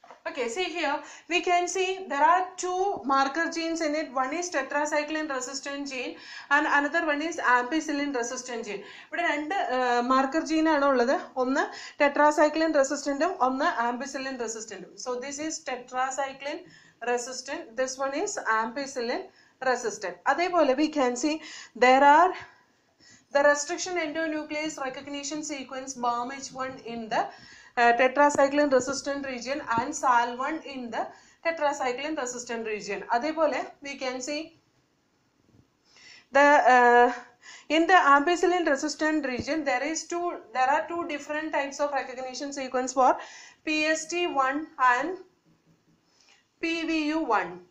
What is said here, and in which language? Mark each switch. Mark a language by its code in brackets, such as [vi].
[en] Okay, see here, we can see there are two marker genes in it. One is tetracycline resistant gene and another one is ampicillin resistant gene. [ml] ഇവിടെ രണ്ട് marker gene ആണ് ഉള്ളത്, ഒന്ന് tetracycline റെസിസ്റ്റൻറ്റും ഒന്ന് ampicillin റെസിസ്റ്റൻറ്റും. [en] So this is tetracycline resistant, this one is ampicillin resistant. [ml] അതേപോലെ [en] We can see there are the restriction endonuclease recognition sequence Bam H one in the tetracycline resistant region and sal1 in the tetracycline resistant region. Adepole we can see the in the ampicillin resistant region there are two different types of recognition sequence for PST1 and PVU1.